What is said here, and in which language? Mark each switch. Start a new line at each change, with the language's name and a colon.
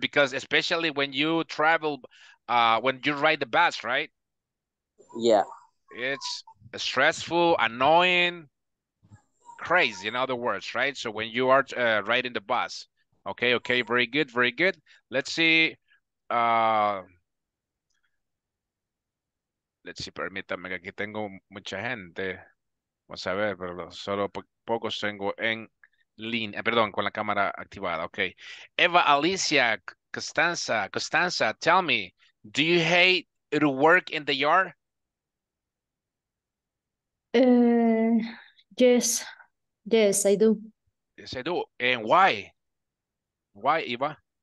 English: Because especially when you travel, when you ride the bus, right? Yeah, it's stressful, annoying, crazy. In other words, right? So when you are riding the bus, okay, okay, very good, very good. Let's see.
Spanish: Let's see, permítame que aquí tengo mucha gente. Vamos a ver, pero solo pocos tengo en línea. Perdón, con la cámara activada. Okay.
English: Eva, Alicia, Costanza, tell me, do you hate to work in the yard? Yes. Yes, I do. Yes, I do. And why? Why, Eva?